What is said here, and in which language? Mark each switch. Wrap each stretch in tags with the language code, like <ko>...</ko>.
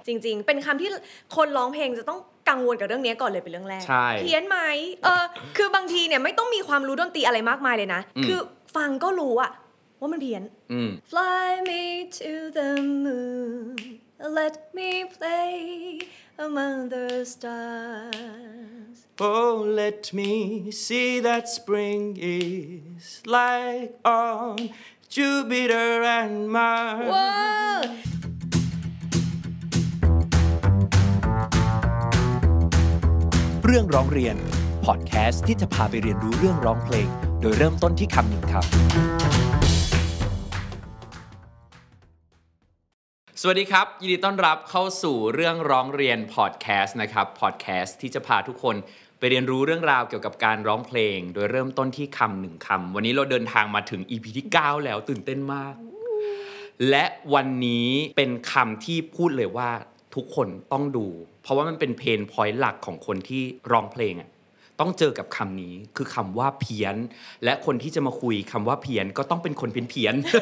<th>จริงๆเป็นคำที่คนร้องเพลงจะต้องกังวลกับเรื่องนี้ก่อนเลยเป็นเรื่องแรกเพี้ยนไหมคือบางทีเนี่ยไม่ต้องมีความรู้ดนตรีอะไรมากมายเลยนะคือฟังก็รู้อะว่ามันเพี้ยน</th> <en>Fly me to the moon Let me play among the stars Oh let me see that spring is like on Jupiter and Mars</en> <th>เรื่องร้องเรียนพอดแคสต์ที่จะพาไปเรียนรู้เรื่องร้องเพลงโดยเริ่มต้นที่คำหนึ่งครับ สวัสดีครับยินดีต้อนรับเข้าสู่เรื่องร้องเรียนพอดแคสต์นะครับพอดแคสต์ที่จะพาทุกคนไปเรียนรู้เรื่องราวเกี่ยวกับการร้องเพลงโดยเริ่มต้นที่คำหนึ่งคำวันนี้เราเดินทางมาถึง EP ที่9แล้วตื่นเต้นมากและวันนี้เป็นคำที่พูดเลยว่าทุกคนต้องดูเพราะว่ามันเป็นเพนพอยต์หลักของคนที่ร้องเพลงอ่ะต้องเจอกับคำนี้คือคำว่าเพี้ยนและคนที่จะมาคุยคำว่าเพี้ยนก็ต้องเป็นคนเพี้ยน</th>